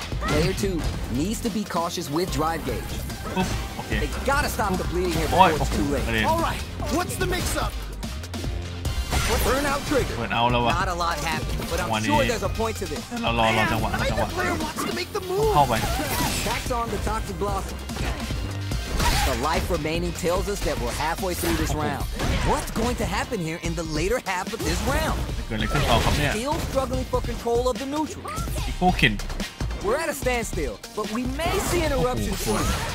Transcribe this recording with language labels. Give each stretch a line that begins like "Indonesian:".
English: Player 2 needs to be cautious with drive gauge. Okay. They gotta stop the bleeding here before it's too late. All right, what's the mix up? Burnout trigger. Not a lot happened, but I'm sure there's a point to this.
Thai: รอจังหวะจังหวะเข้าไป
English: Back on the toxic blossom. The life remaining tells us that we're halfway through this round. What's going to happen here in the later half of this round?
Thai: เกิดอะไรขึ้นต่อครับเนี่ย
English: Still struggling for control of the neutral. We're at a standstill, but we may see an eruption soon.